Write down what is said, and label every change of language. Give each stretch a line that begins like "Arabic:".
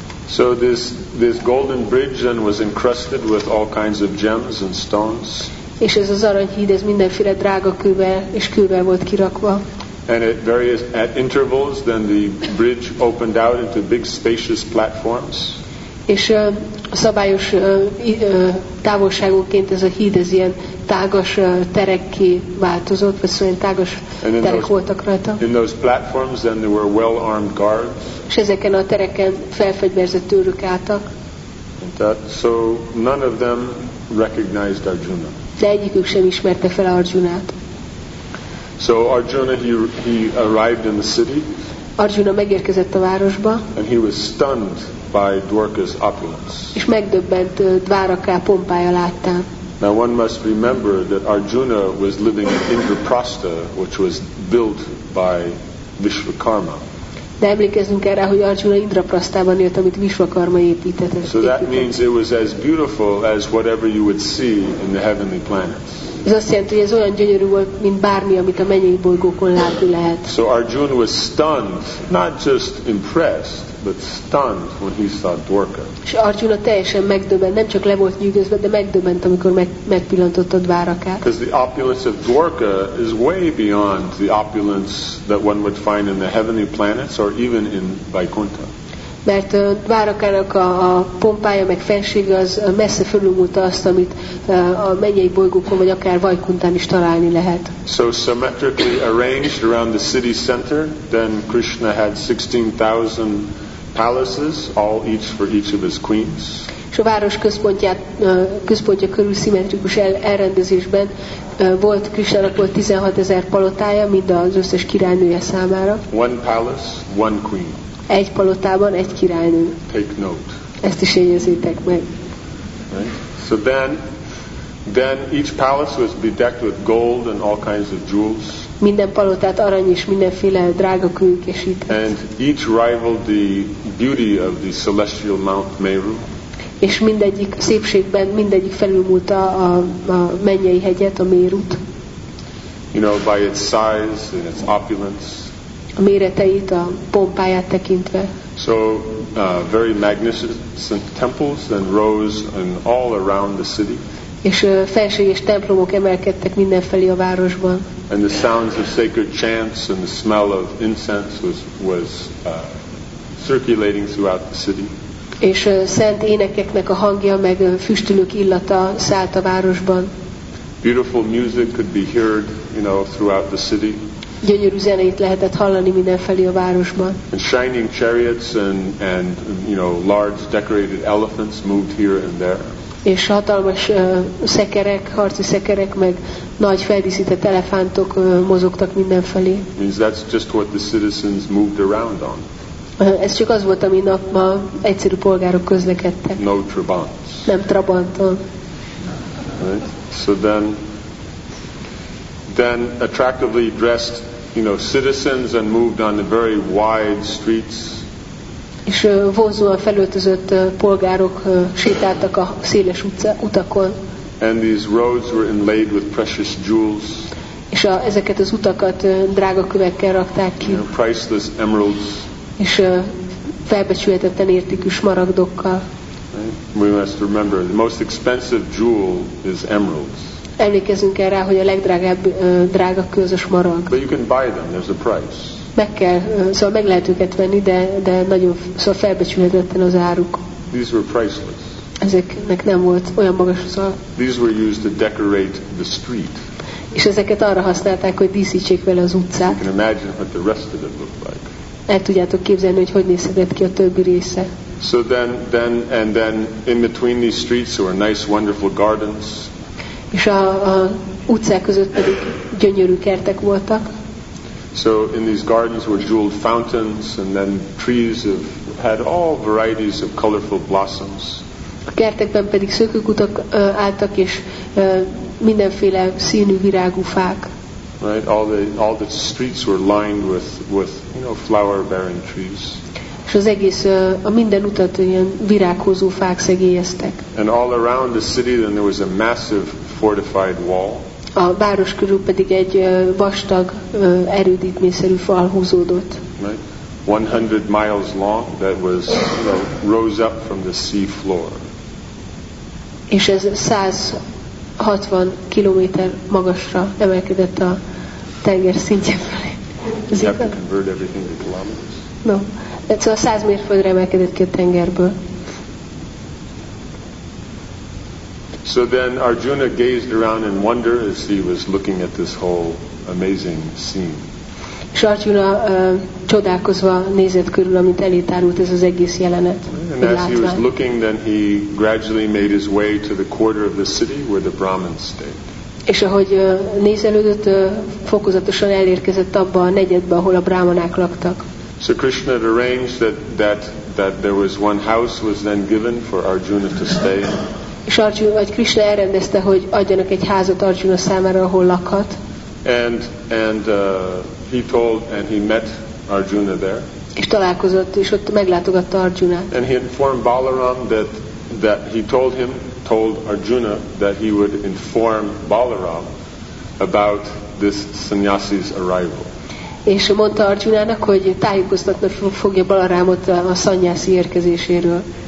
English: So this golden bridge then was encrusted with all kinds of gems and stones.
Hungarian: És ez az aranyhíd, ez mindenféle drága kővel és kővel volt kirakva.
English: And at various at intervals then the bridge opened out into big spacious platforms.
Hungarian: És szabályos távolságokként ez a híd ez ilyen tágas terekké változott, vagy szóval tágas terek voltak rajta.
English: In those platforms then there were well armed guards.
Hungarian: És ezeken a tereken felfegyverzett őrök álltak.
English: So none of them recognized Arjuna.
Hungarian: De egyikük sem ismerte fel Arjunát.
English: So Arjuna he arrived in the city.
Hungarian: Arjuna megérkezett a városba.
English: And he was stunned by Dvaraka's opulence.
Hungarian: És megdöbbent Dvaraka pompája láttán.
English: Now one must remember that Arjuna was living in Indraprastha, which was built by Vishvakarma.
Hungarian: De emlékezzünk erre, hogy Arjuna Indraprasthában élt, amit Vishvakarma épített.
English: So that means it was as beautiful as whatever you would see in the heavenly planets.
Hungarian: Ez azt jelenti, hogy ez olyan gyönyörű volt, mint bármi, amit a mennyei bolygókon látni lehet.
English: So Arjuna was stunned, not just impressed, but stunned when he saw Dvaraka.
Hungarian: És Arjuna teljesen megdöbbent, nem csak le volt nyűgözve, de megdöbbent, amikor megpillantott a Dvarakát.
English: Because the opulence of Dvaraka is way beyond the opulence that one would find in the heavenly planets or even in Vaikuntha.
Hungarian: Mert Dvarakának a pompája meg fensége az messze fölülmúlt azt, amit a mennyei bolygókon vagy akár Vaikuntán is találni lehet.
English: So symmetrically arranged around the city center, then Krishna had 16,000 palaces, all each for each of his queens.
Hungarian: És a város központja körül szimmetrikus elrendezésben volt Krishnának volt 16,000 palotája, mind az összes királynője számára.
English: One palace, one queen.
Hungarian: Egy palotában egy királynő.
English: Take note.
Hungarian: Ezt is jegyezzétek meg.
English: Right. So then each palace was bedecked with gold and all kinds of jewels.
Hungarian: Minden palotát arany és mindenféle drága kő kesített.
English: And each rivaled the beauty of the celestial Mount Meru.
Hungarian: És mindegyik szépségben mindegyik felülmúlta a mennyei hegyet, a Mérut.
English: You know, by its size and its opulence.
Hungarian: A méreteit, a pompáját tekintve.
English: So very magnificent temples then rose and all around the city.
Hungarian: És felséges templomok emelkedtek mindenfelé a városban.
English: And the sounds of sacred chants and the smell of incense was circulating throughout the city.
Hungarian: És szent énekeknek a hangja meg füstölők illata szállt a városban.
English: Beautiful music could be heard, you know, throughout the city.
Hungarian: Gyönyörű zenét lehetett hallani mindenfelé a városban.
English: And shining chariots and you know large decorated elephants moved here and there.
Hungarian: És hatalmas szekerek, harci szekerek meg nagy feldíszített elefántok mozogtak mindenfelé.
English: Means that's just what the citizens moved around on.
Hungarian: Ez csak az volt, ami nap ma egyszerű polgárok közlekedtek.
English: No trabants.
Hungarian: Nem trabanton.
English: Right. So then attractively dressed, you know, citizens and moved on the very wide streets.
Hungarian: És vonzóan felöltözött polgárok sétáltak a széles utakon.
English: And these roads were inlaid with precious jewels.
Hungarian: És ezeket az utakat drága kövekkel rakták ki.
English: You know, priceless emeralds.
Hungarian: És felbecsülhetetlen értékű smaragdokkal.
English: Right. We must remember the most expensive jewel is emeralds.
Hungarian: Emlékezzünk erre, hogy a legdrágább drága kő az a smaragd.
English: But you can buy them, there's a price.
Hungarian: Meg kell, szóval meg lehet őket venni, de nagyon, szóval felbecsülhetetlen az áruk.
English: These were priceless.
Hungarian: Ezeknek nem volt olyan magas az ára.
English: These were used to decorate the street.
Hungarian: És ezeket arra használták, hogy díszítsék vele az utcát.
English: You can imagine what the rest of it looked like.
Hungarian: El tudjátok képzelni, hogy hogy nézhetett ki a többi része.
English: So then in between these streets were nice, wonderful gardens.
Hungarian: És a utcák között pedig gyönyörű kertek voltak.
English: So in these gardens were jeweled fountains, and then trees had all varieties of colorful blossoms.
Hungarian: A kertekben pedig szökőkutak álltak, és mindenféle színű virágú fák.
English: Right, all the streets were lined with you know flower-bearing trees.
Hungarian: és az egész a minden utat ilyen virághozó fák szegélyeztek.
English: And all around the city then there was a massive fortified wall.
Hungarian: A város körül pedig egy vastag erődítményszerű fal húzódott.
English: Right. 100 miles long that was, you know, rose up from the sea floor.
Hungarian: És ez 160 kilométer magasra emelkedett a tenger szintje felé.
English: You have to convert everything to kilometers.
Hungarian: No. Szóval 100 mérföldre emelkedett ki a tengerből.
English: So then Arjuna gazed around in wonder as he was looking at this whole amazing scene.
Hungarian: És Arjuna csodálkozva nézett körül, amit elétárult ez az egész jelenet.
English: And as he was looking, then he gradually made his way to the quarter of the city where the Brahmins stayed.
Hungarian: És ahogy nézelődött, fokozatosan elérkezett abba a negyedbe, ahol a brahmanák laktak.
English: So Krishna had arranged that there was one house was then given for Arjuna to stay in.
Hungarian: És Arjuna, vagy Krishna elrendezte, hogy adjanak egy házat Arjuna számára, ahol lakhat.
English: And he met Arjuna there.
Hungarian: És találkozott, és ott meglátogatta Arjunát.
English: And he informed Balaram that he told Arjuna that he would inform Balaram about this sannyasi's arrival.
Hungarian: És mondta Arjunának, hogy tájékoztatni fogja Balarámot a szanyászi érkezéséről.